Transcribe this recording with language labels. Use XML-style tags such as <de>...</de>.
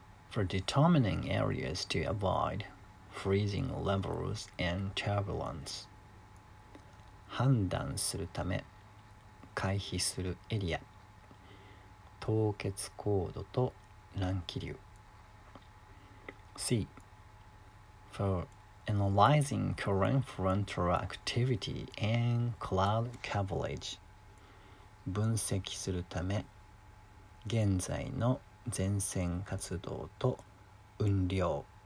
<en>For determining areas to avoid freezing levels and turbulence.</en> <ja>判断するため、回避するエリア、凍結高度と乱気流。</ja> <en>C. For analyzing current frontal activity and cloud coverage.</en> <ja>分析するため、現在の前線活動と雲量。</ja>